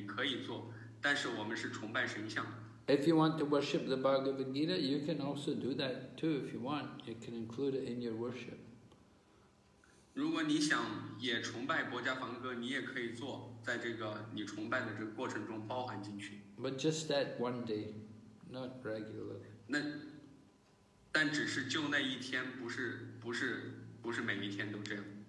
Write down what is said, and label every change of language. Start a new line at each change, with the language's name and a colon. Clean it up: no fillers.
Chinese: 如果你想把伯伽梵歌放在里面，你可以做，但是我们是崇拜神像。
English: If you want to worship the Bhagavad Gita, you can also do that too if you want. You can include it in your worship.
Chinese: 如果你想也崇拜伯伽梵歌，你也可以做，在这个你崇拜的这个过程中包含进去。
English: But just that one day, not regularly.
Chinese: 但只是就那一天，不是每一天都这样。